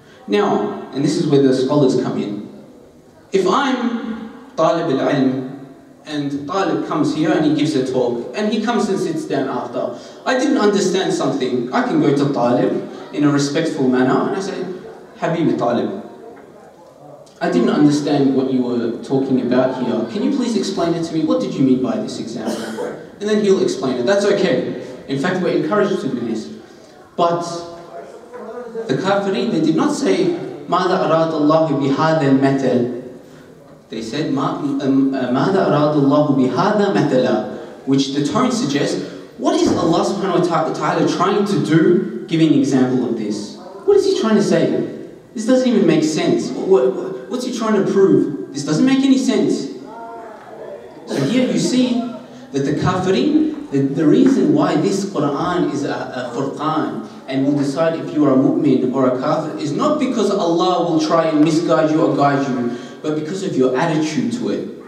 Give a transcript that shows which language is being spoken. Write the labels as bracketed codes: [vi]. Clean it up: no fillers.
[en] Now, and this is where the scholars come in. If I'm Talib al-Ilm, and Talib comes here and he gives a talk, and he comes and sits down after, I didn't understand something, I can go to Talib in a respectful manner, and I say, Habibi Talib, I didn't understand what you were talking about here. Can you please explain it to me? What did you mean by this example? And then he'll explain it. That's okay. In fact, we're encouraged to do this. But the kafirin, they did not say, [ar] مَاذَا أَرَادَ اللَّهُ بِهَذَا مَثَلًا. [en] They said, [ar] مَاذَا أَرَادَ اللَّهُ بِهَذَا مَثَلًا. [en] Which the tone suggests, what is Allah subhanahu wa ta'ala trying to do, giving an example of this? What is He trying to say? This doesn't even make sense. What's he trying to prove? This doesn't make any sense. So here you see that the kafirin, the reason why this Qur'an is a furqan and will decide if you are a mu'min or a kafir is not because Allah will try and misguide you or guide you, but because of your attitude to it.